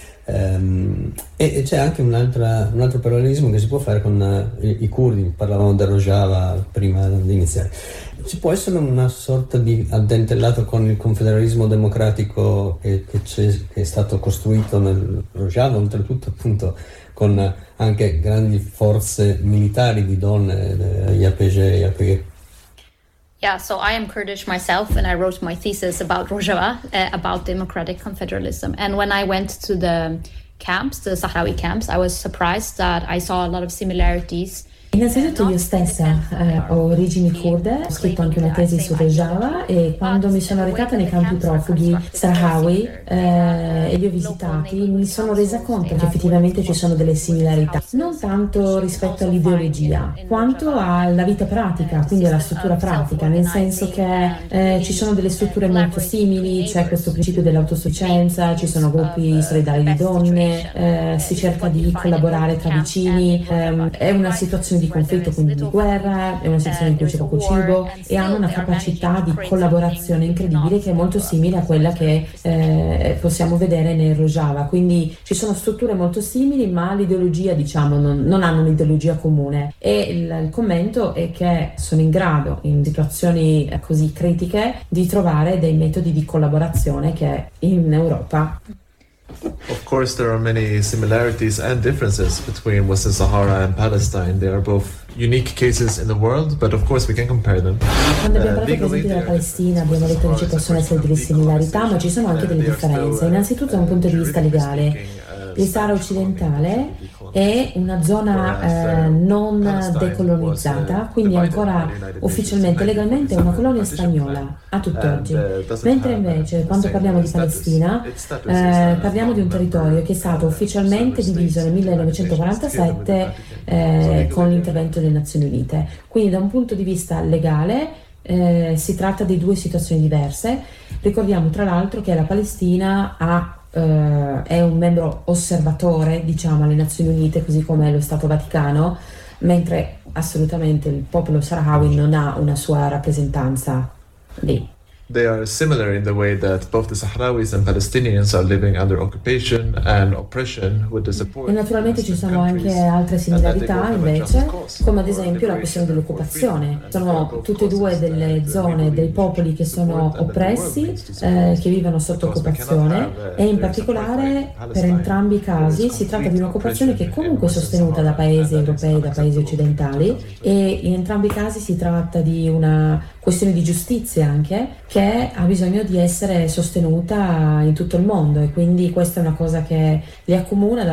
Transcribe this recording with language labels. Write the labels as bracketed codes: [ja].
[it] E c'è anche un altro parallelismo che si può fare con i curdi, parlavamo del Rojava prima di iniziare. Ci può essere una sorta di addentellato con il confederalismo democratico che è stato costruito nel Rojava, oltretutto appunto con anche grandi forze militari di donne, YPG. [en] Yeah, so I am Kurdish myself and I wrote my thesis about Rojava, about democratic confederalism. And when I went to the camps, the Sahrawi camps, I was surprised that I saw a lot of similarities. [it] Innanzitutto io stessa ho origini kurde, ho scritto anche una tesi su Rojava e quando mi sono recata nei campi profughi Sahrawi e li ho visitati, mi sono resa conto che effettivamente ci sono delle similarità, non tanto rispetto all'ideologia, quanto alla vita pratica, quindi alla struttura pratica, nel senso che ci sono delle strutture molto simili, c'è questo principio dell'autosufficienza, ci sono gruppi solidali di donne, si cerca di collaborare tra vicini, è una situazione di conflitto, quindi di guerra, è una situazione in cui c'è poco cibo e hanno una capacità di collaborazione incredibile che è molto simile a quella che possiamo vedere nel Rojava. Quindi ci sono strutture molto simili, ma l'ideologia, diciamo, non hanno un'ideologia comune. E il commento è che sono in grado, in situazioni così critiche, di trovare dei metodi di collaborazione che in Europa. [en] Of course, there are many similarities and differences between Western Sahara and Palestine. They are both unique cases in the world, but of course we can compare them. [it] Quando abbiamo parlato per esempio della Palestina abbiamo detto che ci possono essere delle similarità, ma ci sono anche delle differenze. Innanzitutto da un punto di vista legale, il Sahara occidentale è una zona non decolonizzata, quindi ancora ufficialmente, legalmente è una colonia spagnola a tutt'oggi, mentre invece quando parliamo di Palestina parliamo di un territorio che è stato ufficialmente diviso nel 1947 con l'intervento delle Nazioni Unite. Quindi da un punto di vista legale si tratta di due situazioni diverse. Ricordiamo tra l'altro che la Palestina è un membro osservatore, diciamo, alle Nazioni Unite, così come lo Stato Vaticano, mentre assolutamente il popolo Sahrawi non ha una sua rappresentanza lì. [en] They are similar in the way that both the Sahrawis and Palestinians are living under occupation and oppression with the support. [it] E naturalmente ci sono anche altre similarità invece, come ad esempio la questione dell'occupazione. Sono tutte e due delle zone, dei popoli che sono oppressi, che vivono sotto occupazione, e in particolare per entrambi i casi si tratta di un'occupazione che è comunque sostenuta da paesi europei, da paesi occidentali, e in entrambi i casi si tratta di una questione di giustizia anche, che ha bisogno di essere sostenuta in tutto il mondo, e quindi questa è una cosa che li accomuna.